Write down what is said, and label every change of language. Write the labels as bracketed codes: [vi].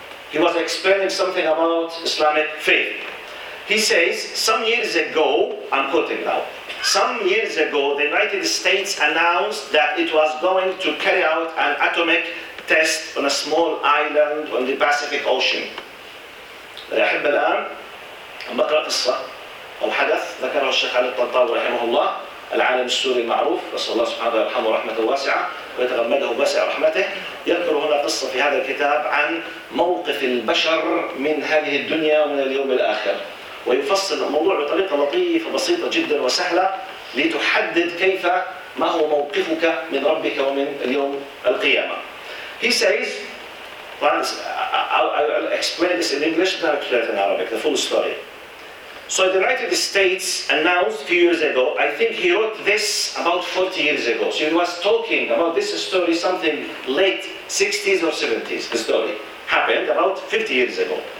[en] He was explaining something about Islamic faith. He says, some years ago, I'm quoting now, some years ago, the United States announced that it was going to carry out an atomic test on a small island on the Pacific Ocean. [ar] أحب الآن أن أقرأ قصة أو حدث ذكره الشيخ علي الطنطاوي رحمه الله العالم السوري المعروف رسول الله سبحانه ورحمه ورحمة واسعة ويتغمده بسع رحمته. يذكر هنا قصة في هذا الكتاب عن موقف البشر من هذه الدنيا ومن اليوم الآخر, ويفصل الموضوع بطريقة لطيفة بسيطة جدا وسهلة لتحدد كيف ما هو موقفك من ربك ومن اليوم القيامة. [en] He says, I'll explain this in English, then I'll explain it in Arabic, the full story. So the United States announced a few years ago, I think he wrote this about 40 years ago. So he was talking about this story, something late 60s or 70s, the story happened about 50 years ago.